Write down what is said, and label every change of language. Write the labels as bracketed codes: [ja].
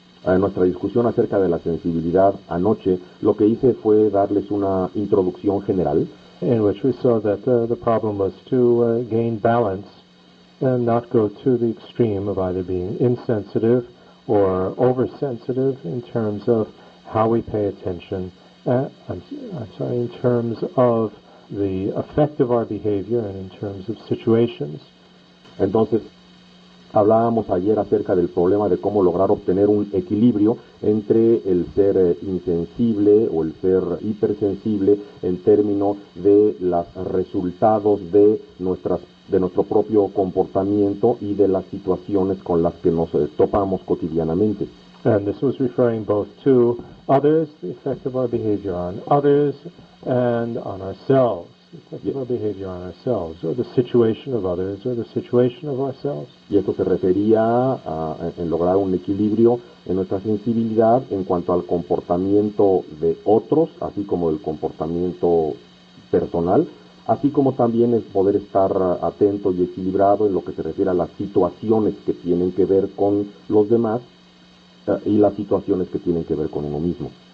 [es] En nuestra discusión acerca de la sensibilidad anoche, lo que hice fue darles una introducción general. [en] In which we saw that the problem was to gain balance and not go to the extreme of either being insensitive or oversensitive in terms of how we pay attention. In terms of the effect of our behavior and in terms of situations. [es] Entonces, hablábamos ayer acerca del problema de cómo lograr obtener un equilibrio entre el ser insensible o el ser hipersensible en términos de los resultados de nuestro propio comportamiento y de las situaciones con las que nos topamos cotidianamente. [en] And this was referring both to others, the effect of our behavior on others, and on ourselves. Yes. Our behavior on ourselves, or the situation of others, or the situation of ourselves. [es] Y esto se refería a en lograr un equilibrio en nuestra sensibilidad en cuanto al comportamiento de otros, así como del comportamiento personal, así como también es poder estar atento y equilibrado en lo que se refiere a las situaciones que tienen que ver con los demás y las situaciones que tienen que ver con uno mismo.